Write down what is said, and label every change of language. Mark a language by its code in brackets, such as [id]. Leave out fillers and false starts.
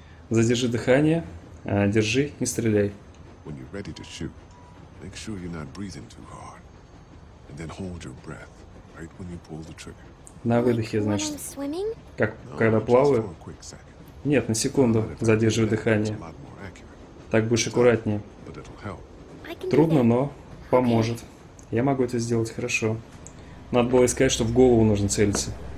[ru] Задержи дыхание, держи и стреляй. [en] When you're ready to shoot, make sure you're not breathing too hard, and then hold your breath right when you pull the trigger. [ru] На выдохе, значит, как когда плаваю. Нет, на секунду задерживай дыхание. Так будешь аккуратнее. Трудно, но поможет. Я могу это сделать хорошо. Надо было искать, что в голову нужно целиться.